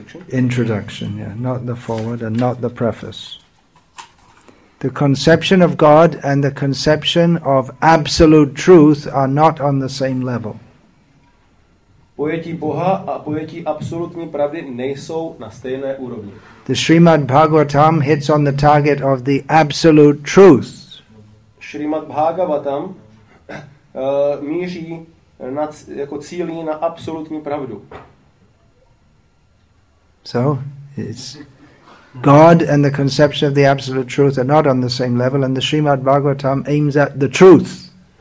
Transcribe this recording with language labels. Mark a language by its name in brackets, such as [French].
[English] Introduction, yeah, not the foreword and not the preface. The conception of God and the conception of absolute truth are not on the same level. [Czech] Pojetí Boha a pojetí absolutní pravdy nejsou na stejné úrovni. [English] The Srimad Bhagavatam hits on the target of the absolute truth. [Czech] Srimad Bhagavatam míří na, jako cílí na absolutní pravdu. [English] So, it's God and the conception of the absolute truth are not on the same level, and the Srimad Bhagavatam aims at the truth.